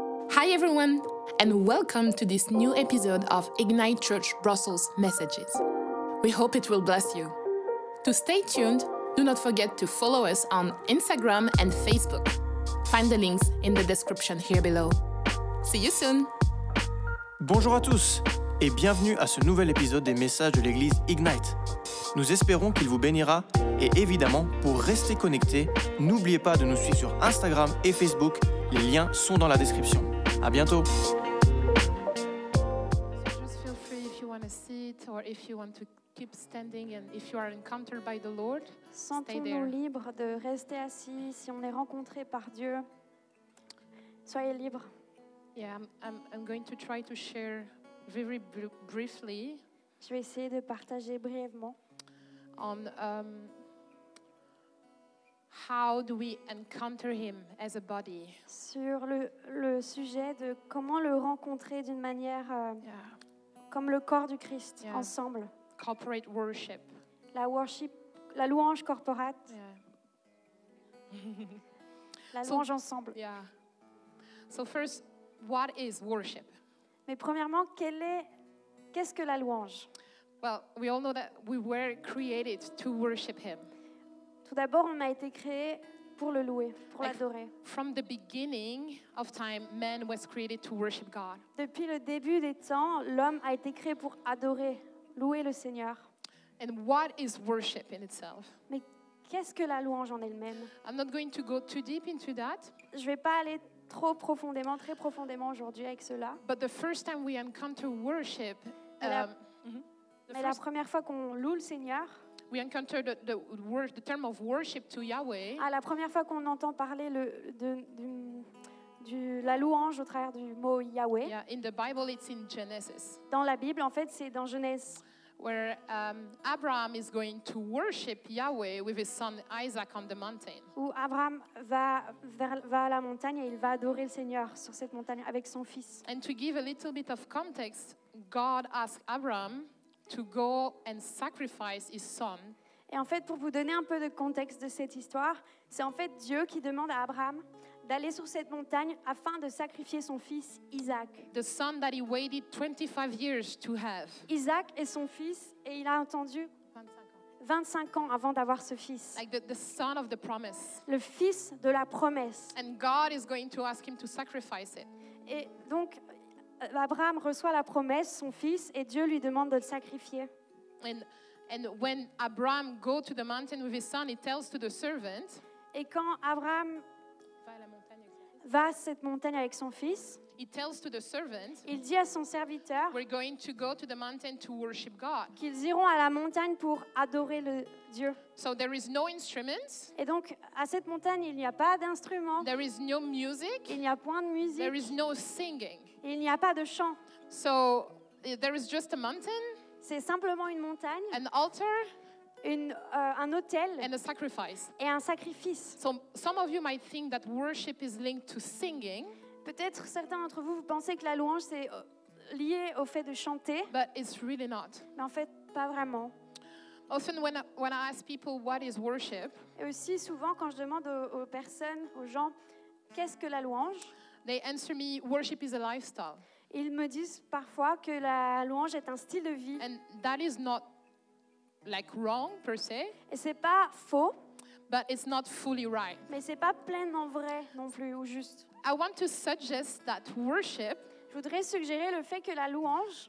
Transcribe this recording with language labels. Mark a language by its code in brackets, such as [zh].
[en] Hi everyone, and welcome to this new episode of Ignite Church Brussels Messages. We hope it will bless you. To stay tuned, do not forget to follow us on Instagram and Facebook. Find the links in the description here below. See you soon! [fr] Bonjour à tous, et bienvenue à ce nouvel épisode des messages de l'église Ignite. Nous espérons qu'il vous bénira, et évidemment, pour rester connecté, n'oubliez pas de nous suivre sur Instagram et Facebook. Les liens sont dans la description. À bientôt. [en] So just feel free if you want to sit or if you want to keep standing and if you are encountered by the Lord. [fr] Sentons-nous libres de rester assis si on est rencontré par Dieu. Soyez libres. [en] Yeah, I'm going to try to share very briefly. [fr] Je vais essayer de partager brièvement. [en] On how do we encounter him as a body? [fr] Sur le sujet de comment le rencontrer d'une manière comme le corps du Christ ensemble. [en] Corporate worship. [fr] La louange corporate. [en] Yeah. [fr] La louange ensemble. [en] Yeah. So first, what is worship? [fr] Mais premièrement, qu'est-ce que la louange? [en] Well, we all know that we were created to worship him. [fr] Tout d'abord, on a été créé pour le louer, pour l'adorer. [en] From the beginning of time, man was created to worship God. [fr] Depuis le début des temps, l'homme a été créé pour adorer, louer le Seigneur. [en] And what is worship in itself? [fr] Mais qu'est-ce que la louange en elle-même? [en] I'm not going to go too deep into that. [fr] Je ne vais pas aller trop profondément, très profondément aujourd'hui avec cela. [en] But the first time we encounter worship, [fr] la première fois qu'on loue le Seigneur. [en] We encounter the term of worship to Yahweh. [fr] À la première fois qu'on entend parler la louange au travers du mot Yahweh. [en] Yeah, in the Bible, it's in Genesis. [fr] Dans la Bible, en fait, c'est dans Genèse. [en] Where Abraham is going to worship Yahweh with his son Isaac on the mountain. [fr] Où Abraham va à la montagne et il va adorer le Seigneur sur cette montagne avec son fils. [en] And to give a little bit of context, God asked Abraham to go and sacrifice his son. [fr] Et en fait, pour vous donner un peu de contexte de cette histoire, c'est en fait Dieu qui demande à Abraham d'aller sur cette montagne afin de sacrifier son fils Isaac. [en] The son that he waited 25 years to have. [fr] Isaac est son fils et il a attendu 25 ans avant d'avoir ce fils. [en] Like the son of the promise. [fr] Le fils de la promesse. [en] And God is going to ask him to sacrifice it. [fr] Et donc Abraham reçoit la promesse, son fils, et Dieu lui demande de le sacrifier. [en] And when Abraham go to the mountain with his son, he tells to the servant. [fr] Et quand Abraham va à cette montagne avec son fils, [en] he tells to the servant, [fr] il dit à son serviteur, [en] we're going to go to the mountain to worship God. [fr] Qu'ils iront à la montagne pour adorer le Dieu. [en] So there is no instruments. [fr] Et donc à cette montagne, il n'y a pas d'instruments. [en] There is no music. [fr] Il n'y a point de musique. [en] There is no singing. [fr] Il n'y a pas de chant. [en] So there is just a mountain. [fr] C'est simplement une montagne. [en] An altar. [fr] Un autel. [en] And a sacrifice. [fr] Et un sacrifice. [en] So some of you might think that worship is linked to singing. [fr] Peut-être certains d'entre vous pensez que la louange c'est lié au fait de chanter. [en] But it's really not. [fr] Mais en fait, pas vraiment. [en] Often when I ask people what is worship. [fr] Et aussi souvent quand je demande aux personnes, aux gens, qu'est-ce que la louange? [en] They answer me, worship is a lifestyle. [fr] Ils me disent parfois que la louange est un style de vie. [en] And that is not like wrong per se. [fr] Et c'est pas faux. [en] But it's not fully right. [fr] Mais c'est pas pleinement vrai non plus ou juste. [en] I want to suggest that worship. [fr] Je voudrais suggérer le fait que la louange